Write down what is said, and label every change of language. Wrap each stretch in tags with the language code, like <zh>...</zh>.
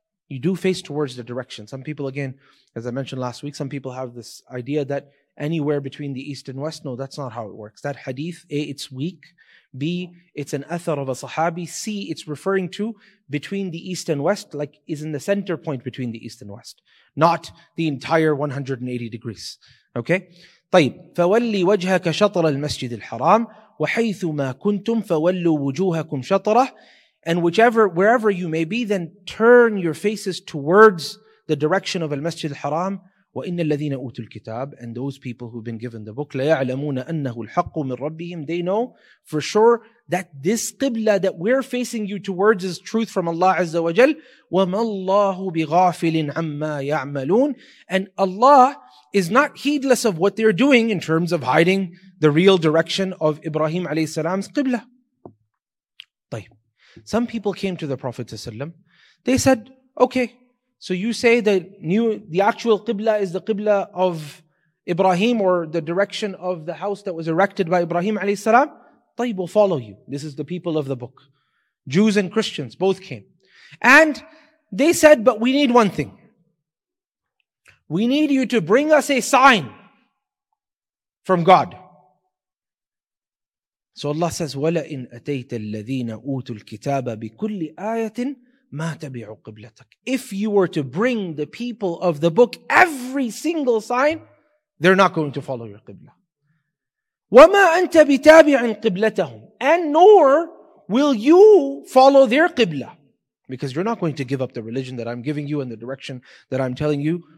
<en>you do face towards the direction. Some people, again, as I mentioned last week, some people have this idea that anywhere between the east and west, no, that's not how it works. That hadith, A, it's weak. B, it's an athar of a sahabi. C, it's referring to between the east and west, like is in the center point between the east and west, not the entire 180 degrees. Okay?</en> <ar>طيب فولي وجهك شطر المسجد الحرام وحيث ما كنتم فولوا وجوهكم شطره.</ar> <en>And whichever, wherever you may be, then turn your faces towards the direction of al-Masjid al-Haram.</en> <ar>وَإِنَّ الَّذِينَ أُوتُوا الْكِتَابِ,</ar> <en>and those people who've been given the book,</en> <ar>لَيَعْلَمُونَ أَنَّهُ الْحَقُّ مِنْ رَبِّهِمْ,</ar> <en>they know for sure that this qibla that we're facing you towards is truth from Allah Azza wa Jal.</en> <ar>وَمَا اللَّهُ بِغَافِلٍ عَمَّا يَعْمَلُونَ,</ar> <en>and Allah is not heedless of what they're doing in terms of hiding the real direction of Ibrahim alayhi salam's qibla.</en> <ar>طيب.</ar> <en>Some people came to the Prophet ﷺ. They said, okay, so you say the actual qibla is the qibla of Ibrahim, or the direction of the house that was erected by Ibrahim alayhi salam. Tayyib, will follow you. This is the people of the book. Jews and Christians both came. And they said, but we need one thing. We need you to bring us a sign from God. So Allah says,</en> <ar>وَلَئِنْ أَتَيْتَ الَّذِينَ أُوتُوا الْكِتَابَ بِكُلِّ آيَةٍ مَا تَبِعُوا قِبْلَتَكَ.</ar> <en>If you were to bring the people of the book every single sign, they're not going to follow your qibla.</en> <ar>وَمَا أَنْتَ بِتَابِعٍ قِبْلَتَهُمْ,</ar> <en>and nor will you follow their qibla. Because you're not going to give up the religion that I'm giving you and the direction that I'm telling you.</en>